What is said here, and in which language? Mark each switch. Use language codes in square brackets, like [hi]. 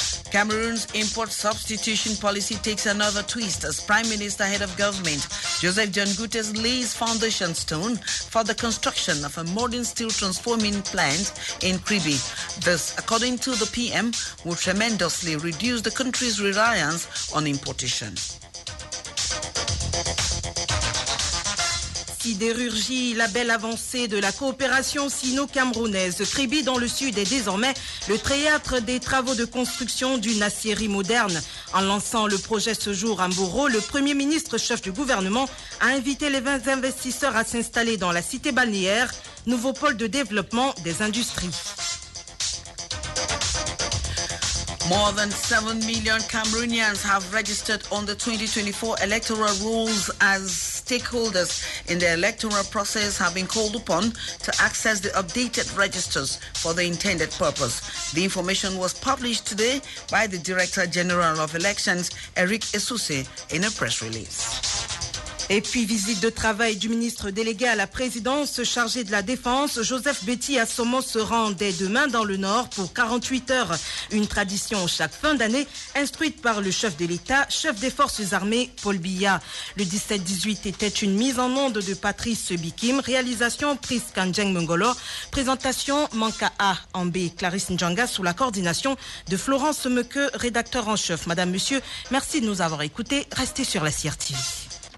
[en] Cameroon's import substitution policy takes another twist as Prime Minister, Head of Government Joseph John Guterres lays foundation stone for the construction of a modern steel transforming plant in Kribi. This, according to the PM, will tremendously reduce the country's reliance on importation. [fr] Sidérurgie, la belle avancée de la coopération sino-camerounaise. Kribi dans le sud est désormais le théâtre des travaux de construction d'une aciérie moderne. En lançant le projet ce jour à Mboro, le premier ministre chef du gouvernement a invité les 20 investisseurs à s'installer dans la cité balnéaire, nouveau pôle de développement des industries. [en] More than 7 million Cameroonians have registered on the 2024 electoral rolls as stakeholders in the electoral process have been called upon to access the updated registers for the intended purpose. The information was published today by the Director General of Elections, Eric Essoussé, in a press release. [fr] Et puis, visite de travail du ministre délégué à la présidence chargé de la défense, Joseph Betty Assomo se rend dès demain dans le Nord pour 48 heures. Une tradition chaque fin d'année, instruite par le chef de l'État, chef des forces armées, Paul Biya. Le 17-18 était une mise en onde de Patrice Bikim, réalisation Prince Kanjeng Mengolo, présentation Manka A en B, Clarisse Njanga sous la coordination de Florence Mequeux, rédacteur en chef. Madame, monsieur, merci de nous avoir écoutés. Restez sur la CRTV.